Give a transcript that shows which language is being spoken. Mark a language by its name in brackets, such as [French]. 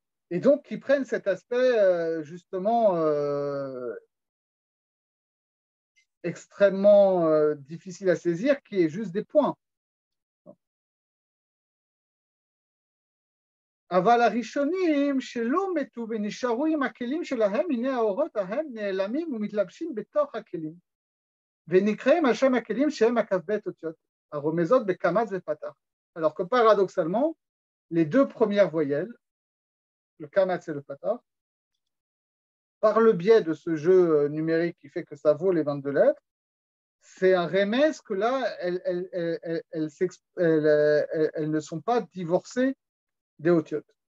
[French] Et donc, qui prennent cet aspect justement extrêmement difficile à saisir, qui est juste des points. [Hebrew] אבל הראשונים שלא מתו ונשארו עם הכלים שלהם, הנה האורות ההם נעלמים ומתלבשים בתוך הכלים, ונקראים על שם הכלים שהם הכבית אותיות, הרומזות בקמץ ופתח. [French] Alors que paradoxalement, les deux premières voyelles, le קמץ et le פתח, par le biais de ce jeu numérique qui fait que ça vaut les 22 lettres, c'est un remès que là, elles ne sont pas divorcées des otiotes.